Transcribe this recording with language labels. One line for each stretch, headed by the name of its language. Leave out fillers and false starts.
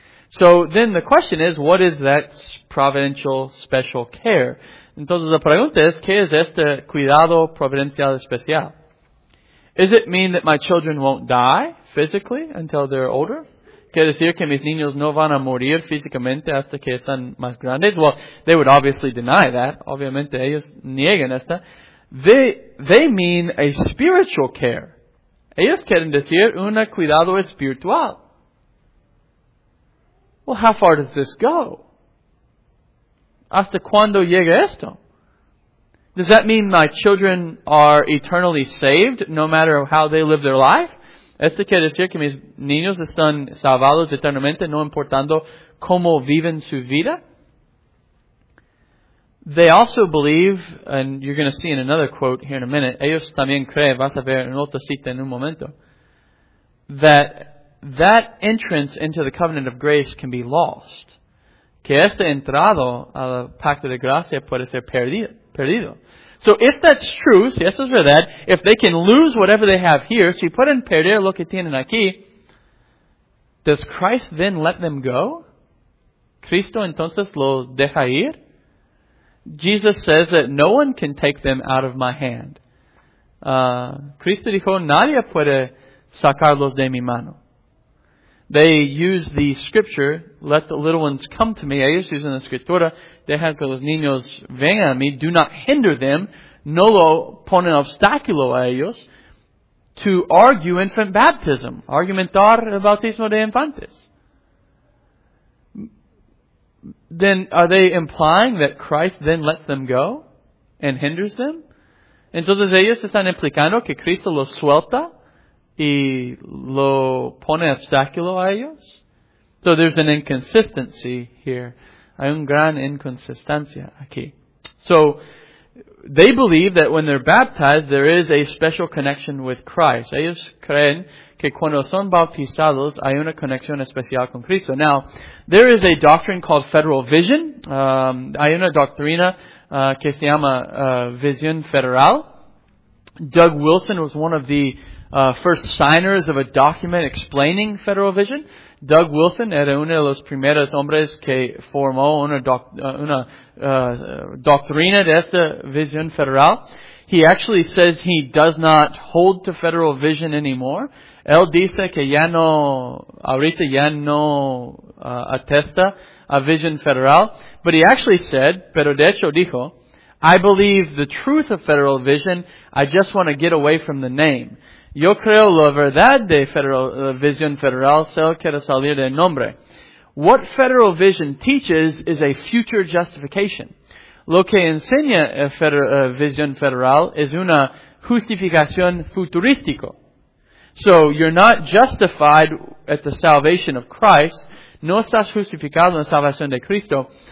English: So then the question is, what is that providential special care?
Spanish: Entonces la pregunta es, ¿qué es este cuidado providencial especial?
English: Does it mean that my children won't die physically until they're older?
Spanish: ¿Quiere decir que mis niños no van a morir físicamente hasta que están más grandes?
English: Well, they would obviously deny that.
Spanish: Obviamente ellos niegan esta.
English: They mean a spiritual care.
Spanish: Ellos quieren decir un cuidado espiritual.
English: Well, how far does this go?
Spanish: ¿Hasta cuándo llega esto?
English: Does that mean my children are eternally saved no matter how they live their life?
Spanish: ¿Esto quiere decir que mis niños están salvados eternamente, no importando cómo viven su vida?
English: They also believe, and you're going to see in another quote here in a minute,
Spanish: ellos también creen, vas a ver en otra cita en un momento,
English: that entrance into the covenant of grace can be lost.
Spanish: Que este entrado al pacto de gracia puede ser perdido.
English: So if that's true,
Spanish: si eso es verdad,
English: if they can lose whatever they have here,
Spanish: si pueden perder lo que tienen aquí,
English: does Christ then let them go?
Spanish: Cristo entonces lo deja ir?
English: Jesus says that no one can take them out of my hand.
Spanish: Cristo dijo, nadie puede sacarlos de mi mano.
English: They use the scripture, let the little ones come to me.
Spanish: Ellos usan la escritura, deja que los niños vengan a mí.
English: Do not hinder them.
Spanish: No lo ponen obstáculo a ellos.
English: To argue infant baptism.
Spanish: Argumentar el bautismo de infantes.
English: Then are they implying that Christ then lets them go and hinders them?
Spanish: Entonces ellos están implicando que Cristo los suelta y lo pone obstáculo a ellos.
English: So there's an inconsistency here.
Spanish: Hay un gran inconsistencia aquí.
English: So they believe that when they're baptized, there is a special connection with Christ.
Spanish: Ellos creen que cuando son bautizados, hay una conexión especial con Cristo.
English: Now, there is a doctrine called federal vision.
Spanish: Hay una doctrina que se llama visión federal.
English: Doug Wilson was one of the first signers of a document explaining federal vision.
Spanish: Doug Wilson era uno de los primeros hombres que formó una doctrina de esta visión federal.
English: He actually says he does not hold to federal vision anymore.
Spanish: Él dice que ya no, ahorita ya no atesta a visión federal.
English: But he actually said,
Spanish: pero de hecho dijo,
English: I believe the truth of federal vision, I just want to get away from the name.
Spanish: Yo creo la verdad de visión federal, solo quiero salir del nombre. What federal vision teaches is a future justification. Lo que enseña visión federal es una justificación futurística. So, you're not justified at the salvation of Christ. No estás justificado en la salvación de Cristo.